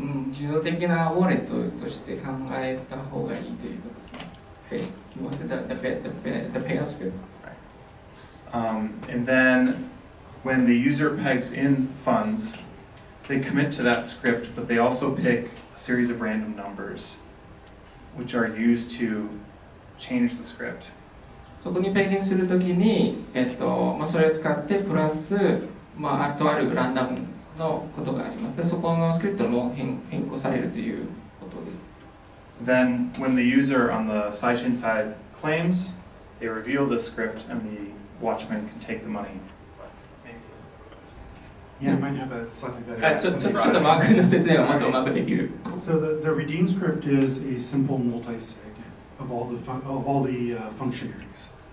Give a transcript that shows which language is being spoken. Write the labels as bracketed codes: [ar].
[ja] 自動的なウォレットとして考えた方がいいということですね。 [en] What's the payout script? Right. And then when the user pegs in funds, they commit to that script, but they also pick a series of random numbers, which are used to change the script. [ja] そこにペグインするときに、まあ、それを使ってプラス、まあ、とあるランダムのことがあります。で、そこのスクリプトも変更されるということです。 [en] Then, when the user on the sidechain side claims, they reveal the script and the watchman can take the money. Yeah, I might have a slightly better explanation. So the redeem script is a simple multi-sig of all the functionaries.